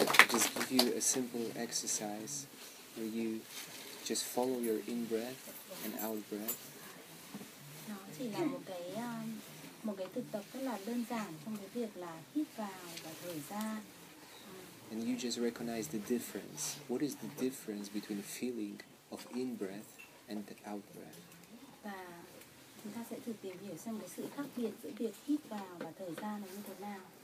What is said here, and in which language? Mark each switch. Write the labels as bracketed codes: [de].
[en] Just give you a simple exercise where you just follow your in-breath and out-breath. [vi] nó chỉ là một cái thực tập rất là đơn giản trong cái việc là hít vào và thở ra. [en] And you just recognize the difference. What is the difference between the feeling of in breath and the out breath? [vi] Và chúng ta sẽ thử tìm hiểu xem cái sự khác biệt giữa việc hít vào và thở ra là như thế nào.